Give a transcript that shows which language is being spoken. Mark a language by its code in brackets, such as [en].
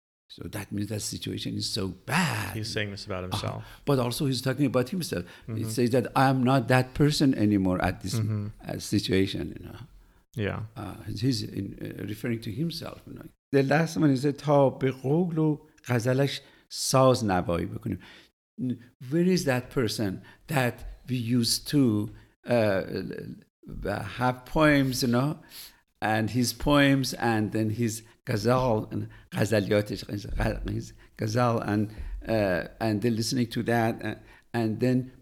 [en] So that means that situation is so bad. He's saying this about himself. But also he's talking about himself. Mm-hmm. He says that I'm not that person anymore at this situation, you know. Yeah. He's referring to himself, you know. The last one is [fa] تا به قول و غزلش ساز نوایی بکنیم. [en] Where is that person that we used to have poems, you know, and his poems and then his Ghazal and they're listening to that and then